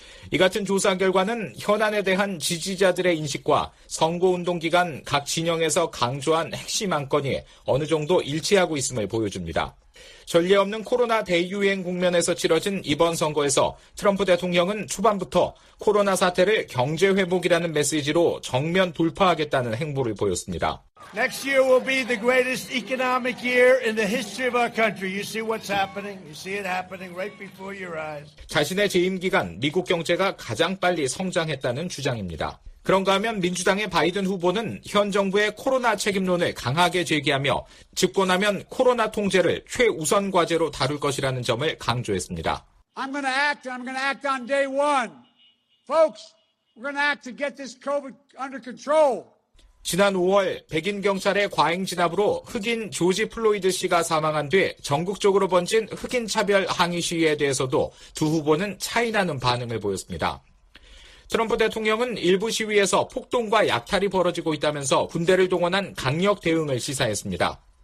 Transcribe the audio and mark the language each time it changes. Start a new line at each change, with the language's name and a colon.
Korean: 이 같은 조사 결과는 현안에 대한 지지자들의 인식과 선거운동 기간 각 진영에서 강조한 핵심 안건이 어느 정도 일치하고 있음을 보여줍니다. 전례 없는 코로나 대유행 국면에서 치러진 이번 선거에서 트럼프 대통령은 초반부터 코로나 사태를 경제 회복이라는 메시지로 정면 돌파하겠다는 행보를 보였습니다.
English: Next year will be the greatest economic year in the history of our country. You see what's happening? You see it happening right before your eyes.
Korean: 자신의 재임 기간 미국 경제가 가장 빨리 성장했다는 주장입니다. 그런가 하면 민주당의 바이든 후보는 현 정부의 코로나 책임론을 강하게 제기하며 집권하면 코로나 통제를 최우선 과제로 다룰 것이라는 점을 강조했습니다.
English: I'm going to act on day one. Folks, we're going to act to get this COVID under control.
Korean: 지난 5월 백인 경찰의 과잉 진압으로 흑인 조지 플로이드 씨가 사망한 뒤 전국적으로 번진 흑인 차별 항의 시위에 대해서도 두 후보는 차이 나는 반응을 보였습니다. 트럼프 대통령은 일부 시위에서 폭동과 약탈이 벌어지고 있다면서 군대를 동원한 강력 대응을 시사했습니다.